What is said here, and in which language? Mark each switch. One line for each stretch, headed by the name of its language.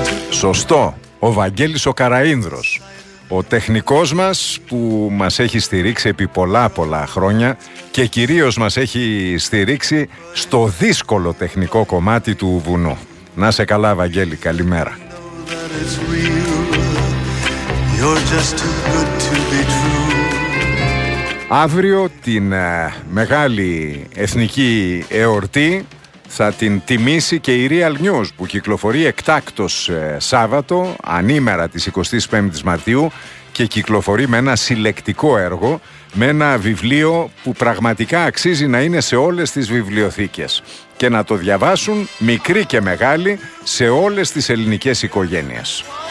Greek: Σωστό, ο Βαγγέλης ο Καραΐνδρος. Ο τεχνικός μας που μας έχει στηρίξει επί πολλά πολλά χρόνια και κυρίως μας έχει στηρίξει στο δύσκολο τεχνικό κομμάτι του βουνού. Να σε καλά, Βαγγέλη, καλημέρα.
English: You're just too good to be true.
Greek: Αύριο την μεγάλη εθνική εορτή θα την τιμήσει και η Real News, που κυκλοφορεί εκτάκτος Σάββατο, ανήμερα της 25ης Μαρτίου, και κυκλοφορεί με ένα συλλεκτικό έργο, με ένα βιβλίο που πραγματικά αξίζει να είναι σε όλες τις βιβλιοθήκες και να το διαβάσουν μικροί και μεγάλοι σε όλες τις ελληνικές οικογένειες.